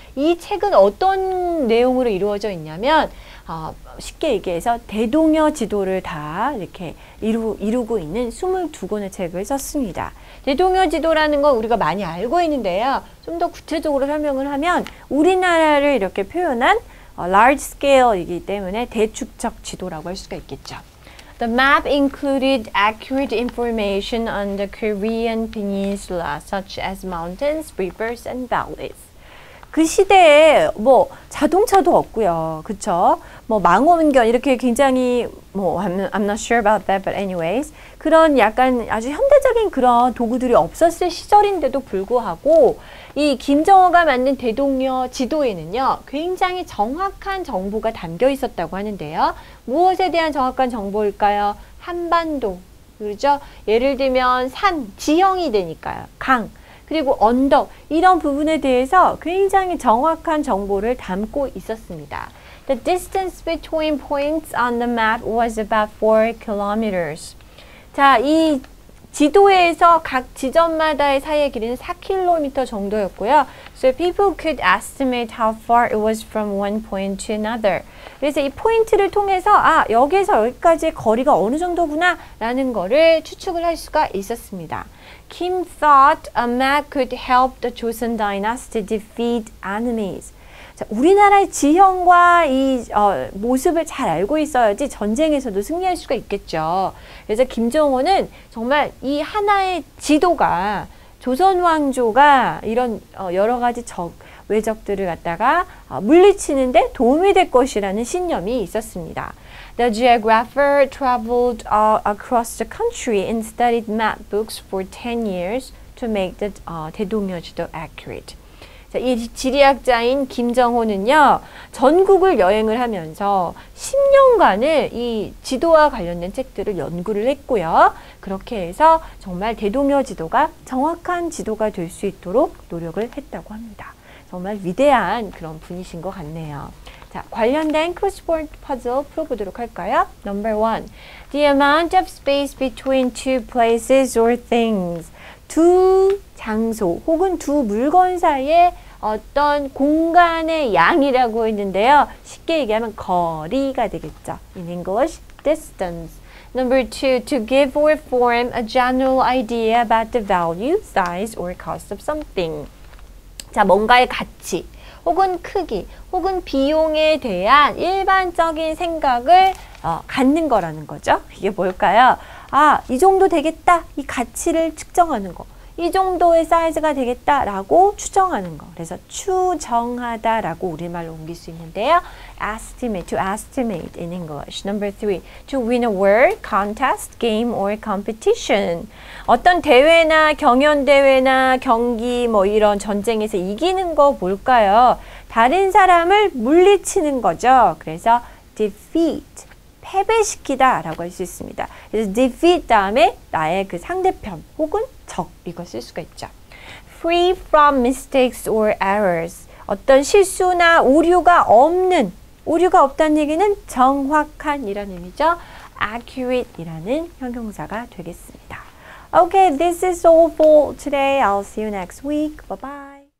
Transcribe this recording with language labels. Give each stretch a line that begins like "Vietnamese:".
Korean: 이 책은 어떤 내용으로 이루어져 있냐면, 쉽게 얘기해서 대동여 지도를 다 이렇게 이루고 있는 22권의 책을 썼습니다. 대동여 지도라는 건 우리가 많이 알고 있는데요. 좀더 구체적으로 설명을 하면, 우리나라를 이렇게 표현한 large scale이기 때문에 대축적 지도라고 할 수가 있겠죠.
English: The map included accurate information on the Korean peninsula, such as mountains, rivers, and valleys.
Korean: 그 시대에 뭐 자동차도 없고요. 그쵸? 뭐 망원경 이렇게 굉장히 뭐
English: I'm not sure about that, but anyways.
Korean: 그런 약간 아주 현대적인 그런 도구들이 없었을 시절인데도 불구하고 이 김정호가 만든 대동여 지도에는요, 굉장히 정확한 정보가 담겨 있었다고 하는데요. 무엇에 대한 정확한 정보일까요? 한반도. 그렇죠? 예를 들면 산, 지형이 되니까요. 강. 그리고 언덕, 이런 부분에 대해서 굉장히 정확한 정보를 담고 있었습니다.
English: The distance between points on the map was about 4 km.
Korean: 자, 이 지도에서 각 지점마다의 사이의 길이는 4km 정도였고요.
English: So people could estimate how far it was from one point to another.
Korean: 그래서 이 포인트를 통해서, 아, 여기에서 여기까지의 거리가 어느 정도구나, 라는 거를 추측을 할 수가 있었습니다.
English: Kim thought a map could help the Joseon Dynasty defeat enemies.
Korean: 자, 우리나라의 지형과 이 모습을 잘 알고 있어야지 전쟁에서도 승리할 수가 있겠죠. 그래서 김정호는 정말 이 하나의 지도가 조선 왕조가 이런 여러 가지 적 외적들을 갖다가 물리치는데 도움이 될 것이라는 신념이 있었습니다.
English: The geographer traveled across the country and studied map books for 10 years to make the 대동여지도 accurate.
Korean: 자, 이 지리학자인 김정호는요, 전국을 여행을 하면서 10년간을 이 지도와 관련된 책들을 연구를 했고요. 그렇게 해서 정말 대동여지도가 정확한 지도가 될수 있도록 노력을 했다고 합니다. 정말 위대한 그런 분이신 것 같네요. 자, 관련된 크로스워드 퍼즐 풀어보도록 할까요?
English: Number one, the amount of space between two places or things.
Korean: 두 장소 혹은 두 물건 사이에 어떤 공간의 양이라고 했는데요. 쉽게 얘기하면 거리가 되겠죠.
English: In English, distance. Number two, to give or form a general idea about the value, size, or cost of something.
Korean: 자, 뭔가의 가치. 혹은 크기, 혹은 비용에 대한 일반적인 생각을 갖는 거라는 거죠. 이게 뭘까요? 아, 이 정도 되겠다. 이 가치를 측정하는 거. 이 정도의 사이즈가 되겠다라고 추정하는 거. 그래서 추정하다라고 우리말로 옮길 수 있는데요.
English: Estimate, to estimate in English. Number three, to win a war, contest, game, or competition.
Korean: 어떤 대회나 경연대회나 경기 뭐 이런 전쟁에서 이기는 거 뭘까요? 다른 사람을 물리치는 거죠. 그래서 defeat, 패배시키다라고 할수 있습니다. 그래서 defeat 다음에 나의 그 상대편 혹은 적, 이거 쓸 수가 있죠.
English: Free from mistakes or errors.
Korean: 어떤 실수나 오류가 없는, 오류가 없다는 얘기는 정확한이라는 의미죠. Accurate이라는 형용사가 되겠습니다.
English: Okay, this is all for today. I'll see you next week. Bye bye.